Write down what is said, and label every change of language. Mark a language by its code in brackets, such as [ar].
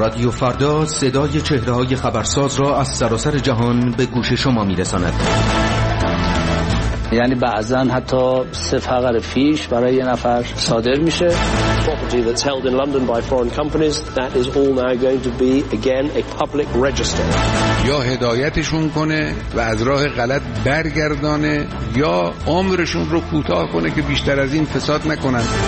[fa] فردا صدای چهره‌های خبرساز را از سراسر جهان به گوش شما می‌رساند. یعنی بعضن حتی سه فقره فیش برای یه نفر صادر میشه. [en] Property that's held in London by foreign companies, that is all now going to be again a public register. [fa] یا هدایتشون کنه و از راه غلط برگردانه، یا عمرشون رو کوتاه کنه که بیشتر از این فساد نکنن.